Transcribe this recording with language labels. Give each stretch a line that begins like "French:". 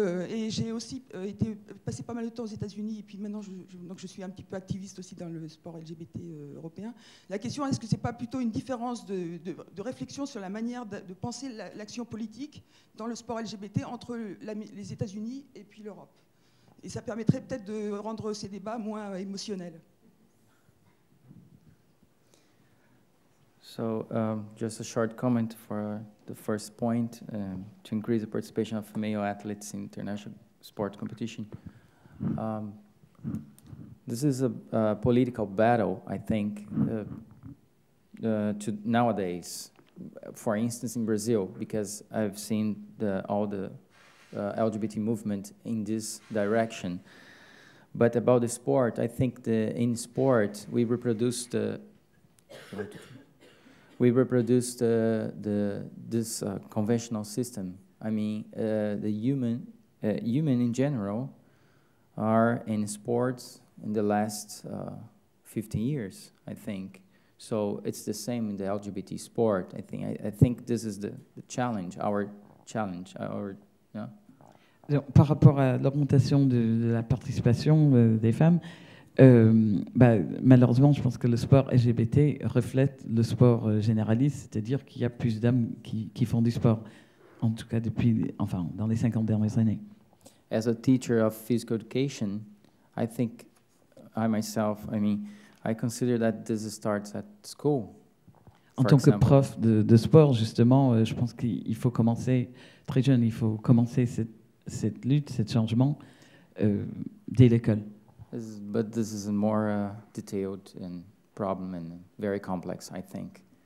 French: et j'ai aussi passé pas mal de temps aux États-Unis et puis maintenant, je suis un petit peu activiste aussi dans le sport LGBT européen. La question, est-ce que c'est pas plutôt une différence de réflexion sur la manière de penser l'action politique dans le sport LGBT entre les États-Unis et puis l'Europe? Et ça permettrait peut-être de rendre ces débats moins émotionnels.
English: So, just a short comment for the first point, to increase the participation of male athletes in international sport competition. This is a political battle, I think, to nowadays. For instance, in Brazil, because I've seen all the LGBT movement in this direction. But about the sport, I think in sport, we reproduce this conventional system. I mean, the human in general are in sports in the last 15 years, I think. So it's the same in the LGBT sport, I think. I think this is the challenge, our challenge.
French: Par rapport à l'augmentation de la participation des femmes, malheureusement, je pense que le sport LGBT reflète le sport généraliste, c'est-à-dire qu'il y a plus d'hommes qui font du sport, en tout cas depuis, enfin, dans les 50 dernières années.
English: As a teacher of physical education, I think I myself, I mean, I consider that this starts at school.
French: En tant que prof de sport, justement, je pense qu'il faut commencer très jeune, il faut commencer cette lutte, ce changement dès l'école.
English: But this is a more detailed and problem and very complex, I think.